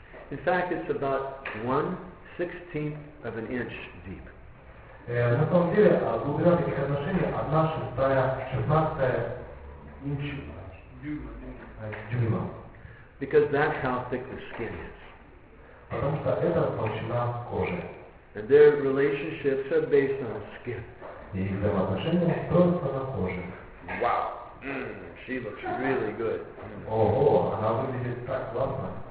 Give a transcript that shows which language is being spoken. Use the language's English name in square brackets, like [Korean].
[English] In fact, it's about 1/16 of an inch deep. [Russian] На самом деле, глубина таких отношений 1/16 инча. дюйма. [English] Because that's how thick the skin is. [Russian] Потому что это толщина кожи. [English] And their relationships are based on skin. [Russian] И их взаимоотношения просто на коже. [English] Wow. She looks really good. [Russian] Ого, она выглядит так классно.